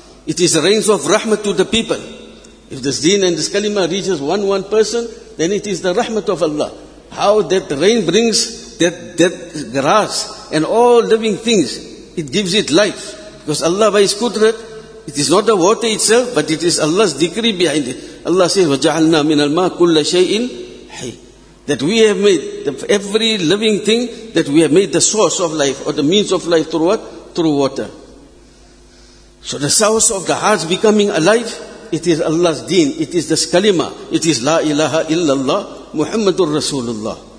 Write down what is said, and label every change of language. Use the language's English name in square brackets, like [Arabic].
[English] It is rains of rahmat to the people. If this deen and this kalima reaches one person, then it is the rahmat of Allah. How that rain brings that grass and all living things, it gives it life. Because Allah by His Qudrat, it is not the water itself, but it is Allah's decree behind it. Allah says, [Arabic] وَجَعَلْنَا مِنَ الْمَاءِ كُلَّ شَيْءٍ حَيٍّ. [English] That we have made every living thing, that we have made the source of life or the means of life through what? Through water. So the source of the hearts becoming alive, it is Allah's deen. It is the kalima. It is la ilaha illallah Muhammadur Rasulullah.